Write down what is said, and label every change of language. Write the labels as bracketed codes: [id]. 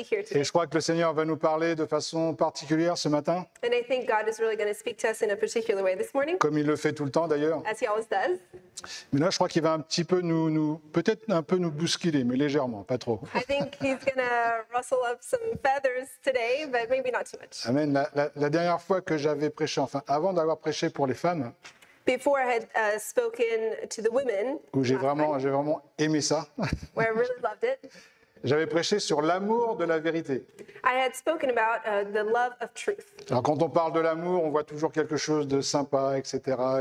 [fr] Et je crois que le Seigneur va nous parler de façon particulière ce matin. [en] And I think God is really going to speak to us in a particular way this morning. [fr] Comme il le fait tout le temps d'ailleurs. [en] As he always does. [fr] Mais là, je crois qu'il va un petit peu nous bousculer, mais légèrement, pas trop. [en] I think he's going to rustle up some feathers today, but maybe not too much. Amen. [fr] La dernière fois que j'avais prêché, enfin, avant d'avoir prêché pour les femmes. [en] Before I had spoken to the women. [fr] Où j'ai vraiment aimé ça. [en] Where I really loved it. [fr] J'avais prêché sur l'amour de la vérité. [en] I had spoken about the love of truth. [fr] Alors quand on parle de l'amour, on voit toujours quelque chose de sympa, etc.